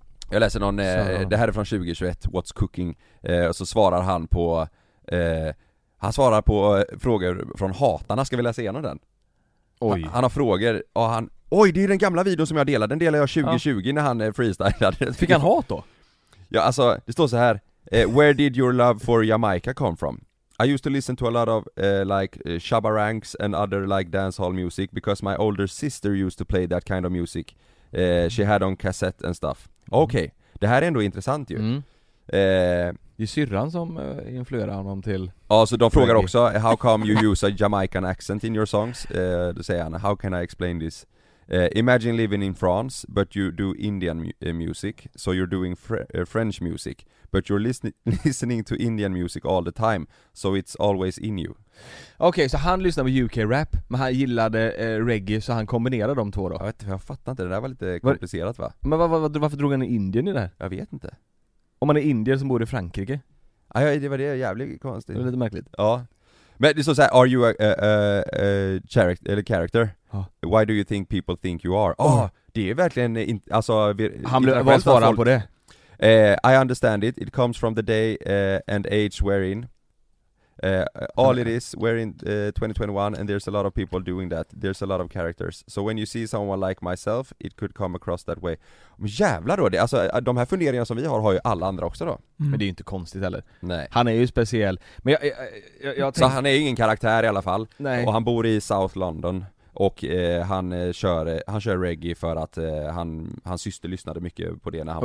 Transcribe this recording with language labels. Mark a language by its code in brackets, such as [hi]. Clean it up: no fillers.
[sv] Jag läser någon, det här är från 2021, What's Cooking. Och så svarar han på, han svarar på frågor från hatarna. Ska vi läsa igenom den? Oj. Han har frågor och oj, det är den gamla videon som jag delade. Den delade jag 2020 ja. När han freestylade. Fick han hat då? Ja, alltså, det står så här. [en] Where did your love for Jamaica come from? I used to listen to a lot of like shabaranks and other like dancehall music because my older sister used to play that kind of music. She had on cassette and stuff. [sv] Okej, [en] okay. [sv] Det här är ändå intressant ju. Mm. Det är syrran som influerar honom till... Ja, så de frågar också, [en] how come you use a Jamaican accent in your songs? [sv] Då säger han, [en] how can I explain this? Imagine living in France, but you do Indian music, so you're doing French music, but you're listening to Indian music all the time, so it's always in you. [sv] Okej, okay, så han lyssnar på UK rap, men han gillade reggae, så han kombinerade de två då? Jag vet inte, jag fattar inte, det där var lite komplicerat va? Men varför drog han Indien i det här? Jag vet inte. Om man är indier som bor i Frankrike? Aj, det var det jävligt konstigt. Det var lite märkligt. Ja. Men det är så här, [en] are you a character? [sv] Ja. [en] Why do you think people think you are? [sv] Oh, det är verkligen inte... Alltså, han blev vad svarar han på det? [en] I understand it. It comes from the day and age we're in. All it is, we're in 2021 and there's a lot of people doing that. There's a lot of characters. So when you see someone like myself, it could come across that way. [sv] Men jävlar då, det, alltså, de här funderingarna som vi har ju alla andra också då. Mm. Men det är ju inte konstigt heller. Nej. Han är ju speciell. Men jag så han är ju ingen karaktär i alla fall. Nej. Och han bor i South London. Och han kör reggae för att hans syster lyssnade mycket på det när han